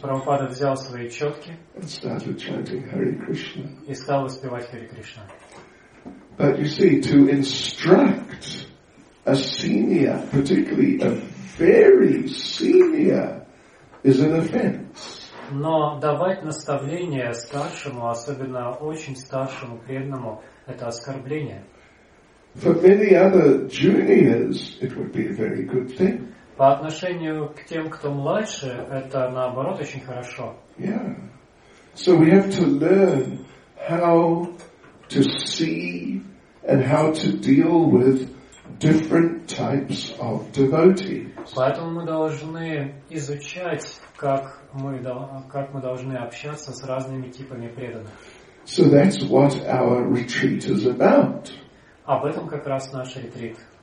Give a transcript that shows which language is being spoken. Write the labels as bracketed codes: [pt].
[ru] Прабхупада взял свои четки. [en] And started chanting Hare Krishna. [ru] И стал воспевать Хари Кришна. [en] But you see, to instruct a senior, particularly a very senior, is an offense. [ru] Но давать наставление старшему, особенно очень старшему преданному, это оскорбление. [en] For many other juniors, it would be a very good thing. [ru] По отношению к тем, кто младше, это наоборот очень хорошо. [en] Yeah. So we have to learn how to see and how to deal with different types of devotees. [ru] Поэтому мы должны изучать, как мы должны общаться с разными типами преданных. [en] So that's what our retreat is about. [ru] Об этом как раз наш ретрит.